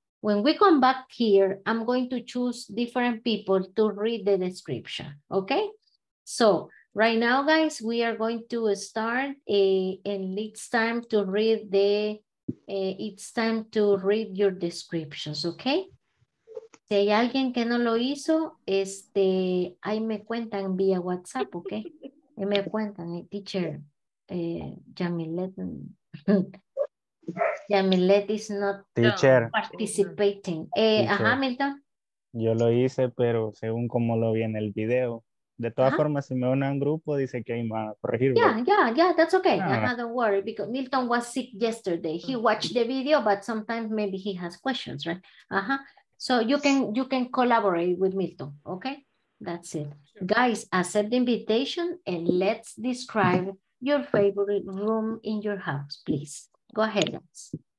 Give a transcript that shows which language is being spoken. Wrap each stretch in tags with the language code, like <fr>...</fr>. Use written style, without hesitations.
<en>When we come back here, I'm going to choose different people to read the description, okay? So right now, guys, we are going to start and it's time to read your descriptions, okay?</en> <es>Si hay alguien que no lo hizo, ahí me cuentan vía WhatsApp, okay? Y me cuentan, teacher, Jamilet.</es> <en>Yamilet is not teacher. Participating. Ajá, Milton.</en> <es>Yo lo hice, pero según como lo vi en el video. De todas formas, si me unen a un grupo, dice que hay más corregirlo.</es> <en>Yeah, that's okay. Ah. Don't worry, because Milton was sick yesterday. He watched the video, but sometimes maybe he has questions, right? Ajá. So you can collaborate with Milton, okay? That's it. Sure. Guys, accept the invitation and let's describe your favorite room in your house, please. Go ahead, guys.</en>